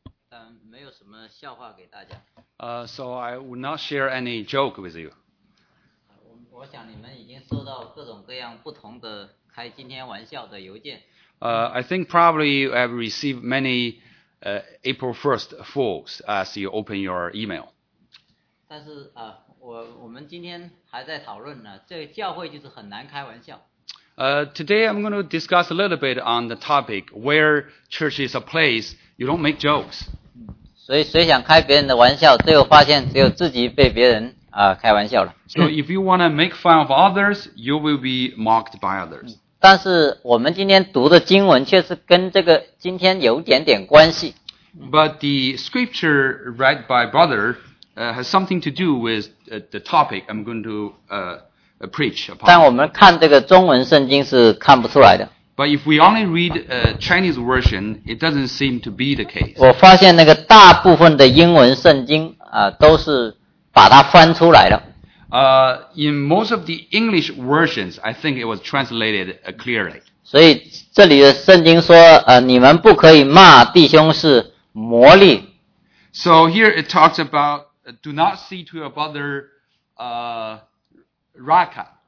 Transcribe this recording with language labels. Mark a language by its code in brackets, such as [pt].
[zh] 但没有什么笑话给大家。 [en] So I will not share any joke with you. [zh] 我想你们已经收到各种各样不同的开今天玩笑的邮件。 [en] I think probably you have received many April 1st fools as you open your email. [zh] 但是我们今天还在讨论呢，这个教会就是很难开玩笑。 [en] Today I'm going to discuss a little bit on the topic where church is a place you don't make jokes. [zh] 所以谁想开别人的玩笑，最后发现只有自己被别人开玩笑了。 [en] So if you want to make fun of others, you will be mocked by others. [zh] 但是我们今天读的经文却是跟这个今天有点点关系。 [en] But the scripture read by brother has something to do with the topic I'm going to preach upon. [zh] 但我们看这个中文圣经是看不出来的。 [en] But if we only read a Chinese version, it doesn't seem to be the case. [zh] 我发现那个大部分的英文圣经都是把它翻出来的。 [en] In most of the English versions, I think it was translated clearly. [zh] 所以这里的圣经说你们不可以骂弟兄是魔力。 [en] So here it talks about do not say to your brother, Raka.